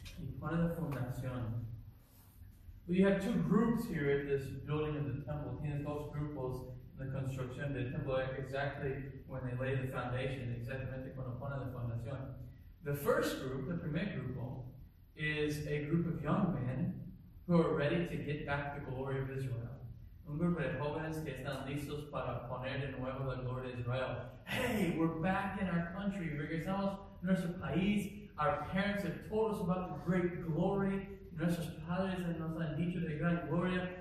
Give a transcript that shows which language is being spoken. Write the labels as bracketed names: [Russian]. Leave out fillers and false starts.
[Spanish] Y pone la fundación. [English] Well, you have two groups here in this building of the temple. [Spanish] Tienes dos grupos in the construcción del templo, [English] exactly when they lay the foundation, [Spanish] exactamente cuando pone la fundación. [English] The first group, the [Spanish] primer grupo, [English] is a group of young men who are ready to get back the glory of Israel. [Spanish] Un grupo de jóvenes que están listos para poner de nuevo la gloria de Israel. [English] Hey, we're back in our country. [Spanish] Regresamos a nuestro país. [English] Our parents have told us about the great glory. [Spanish] Nuestros padres nos han dicho de gran gloria.